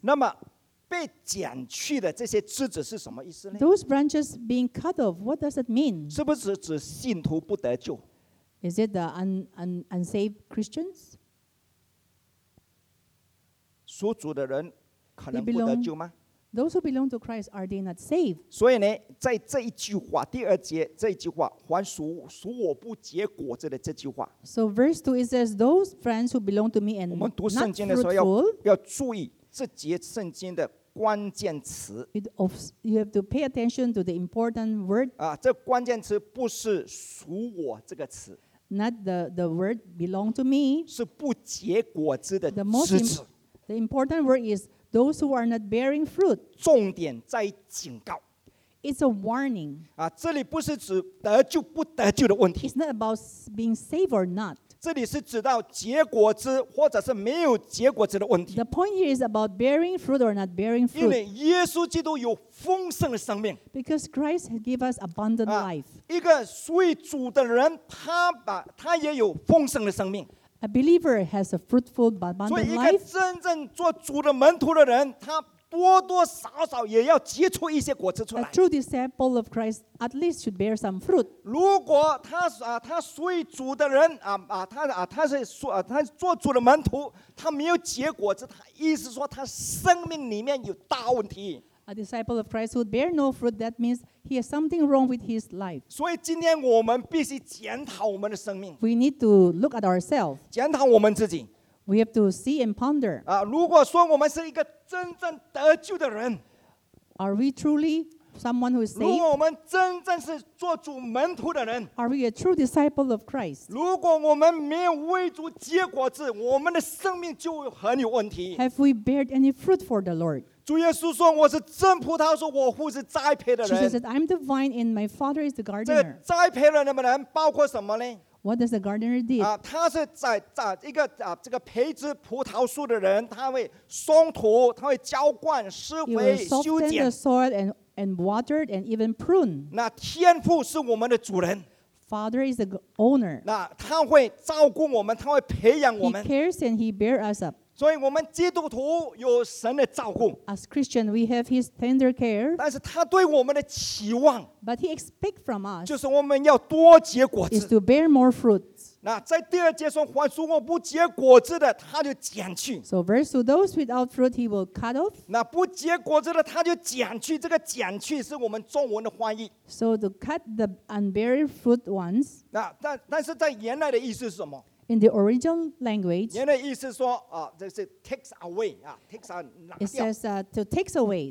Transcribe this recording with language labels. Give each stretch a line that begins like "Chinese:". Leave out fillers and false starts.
Chinese: 那么被剪去的这些枝子是什么意思呢?
English: Those branches being cut off, what does that mean?
Chinese: 是不是指信徒不得救?
English: Is it the unsaved Christians?
Chinese: 属主的人可能不得救吗?
English: Those who belong to Christ, are they not saved?
Chinese: 所以呢, 在这一句话, 第二节, 这一句话, 还属我不结果子的这句话,
English: so verse 2, it says, those friends who belong to me and not fruitful,
Chinese: 要注意这节圣经的关键词,
English: you have to pay attention to the important word.
Chinese: 啊, 这关键词不是属我这个词,
English: not the word belong to me.
Chinese: 是不结果子的枝子。
English: The important word is those who are not bearing fruit.
Chinese: 重点在警告,
English: it's a warning.
Chinese: 啊, 这里不是指得救不得救的问题,
English: it's not about being saved or not.
Chinese: 这里是指到结果子或者是没有结果子的问题。
English: The point here is about bearing fruit or not bearing fruit.
Chinese: 因为耶稣基督有丰盛的生命,
English: because Christ has given us abundant life.
Chinese: 啊, 一个属于主的人, 他也有丰盛的生命。
English: A believer has a fruitful, abundant life.
Chinese: 所以一个真正做主的门徒的人, 他多多少少也要结出一些果子出来。
English: A true disciple of Christ at least should bear some fruit.
Chinese: 如果他属于主的人, 他是做主的门徒, 他没有结果子, 意思说他生命里面有大问题。
English: A disciple of Christ who bear no fruit, that means he has something wrong with his life.
Chinese: 所以今天我们必须检讨我们的生命。
English: We need to look at ourselves.
Chinese: 检讨我们自己。
English: We have to see and ponder.
Chinese: 啊, 如果说我们是一个真正得救的人,
English: are we truly someone who is saved?
Chinese: 如果我们真正是做主门徒的人,
English: are we a true disciple of Christ?
Chinese: 如果我们没有为主结果子, 我们的生命就很有问题。
English: Have we bared any fruit for the Lord?
Chinese: 主耶稣说我是真葡萄树，我父是栽培的人。
English: Jesus said, I'm the vine and my father is the gardener.
Chinese: 这栽培的人包括什么呢?
English: What does the gardener do?
Chinese: 他是一个培植葡萄树的人, 他会松土，他会浇灌施肥修剪。
English: He will soften the soil and water and even prune.
Chinese: 那天父是我们的主人。
English: Father is the owner.
Chinese: 那他会照顾我们, 他会培养我们。
English: He cares and he bears us up.
Chinese: 所以我们基督徒有神的照顾,
English: as Christian, we have his tender care.
Chinese: 但是他对我们的期望,
English: but he expects from us,
Chinese: 就是我们要多结果子,
English: is to bear more fruits.
Chinese: 那在第二节说, 还属我不结果子的, 他就剪去,
English: so verse 2, those without fruit he will cut off.
Chinese: 那不结果子的, 他就剪去, 这个剪去是我们中文的翻译,
English: so to cut the unbearing fruit ones.
Chinese: 但是在原来的意思是什么?
English: In the original language,
Chinese: 原来意思说,
English: takes away, takes on, it says to take away,